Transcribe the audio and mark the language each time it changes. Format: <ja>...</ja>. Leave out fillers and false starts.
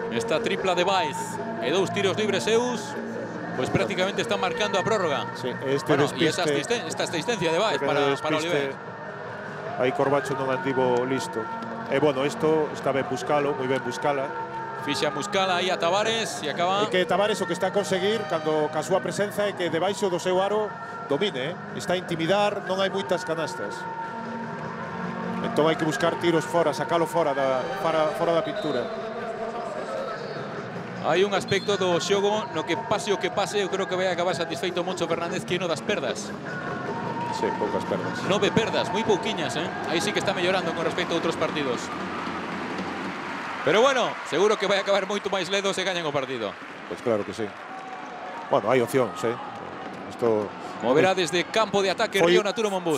<es>Esta tripla de Baez. E dos tiros libres, Eus. Pues prácticamente está marcando a prórroga. Sí, este bueno, despiste, y esta asistencia de Baez para Oliver. Ahí Corbacho no mandivo listo. Bueno, esto está bien buscalo, muy bien buscala.</es> <gl>Fixa Muscala aí a Tavares e acaba... E que Tavares o que está a conseguir cando ca súa presenza é que debaixo do seu aro domine. Está a intimidar, non hai moitas canastas. Entón hai que buscar tiros fora, sacalo fora da pintura. Hai un aspecto do xogo no que pase o que pase, eu creo que vai acabar satisfeito Moncho Fernández que é no das perdas. Sí, poucas perdas. 9 perdas, moi pouquiñas, aí sí que está mellorando con respecto a outros partidos. Pero bueno, seguro que vai acabar moito máis ledo se gañan o partido. Pois claro que sí. Bueno, hai opcións, Isto... Moverá desde campo de ataque Río Natura Mombús.</gl>